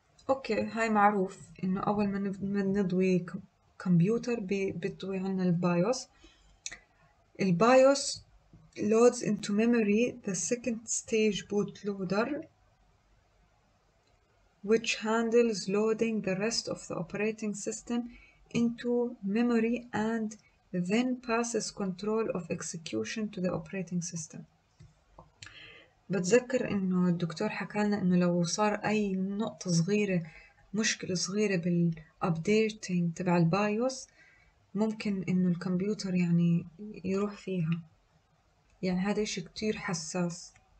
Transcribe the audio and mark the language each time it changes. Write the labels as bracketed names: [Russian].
[Arabic] اوكي هاي معروف انه اول ما نضوي كمبيوتر بتضوي عنا البايوس. [English] البايوس loads into memory the second stage bootloader which handles loading the rest of the operating system into memory and then passes control of execution to the operating system. [Arabic] بتذكر انه الدكتور حكى لنا انه لو صار اي نقطة صغيرة مشكلة صغيرة بالابديتنج تبع البايوس ممكن إنه الكمبيوتر يعني يروح فيها، يعني هذا إشي كتير حساس.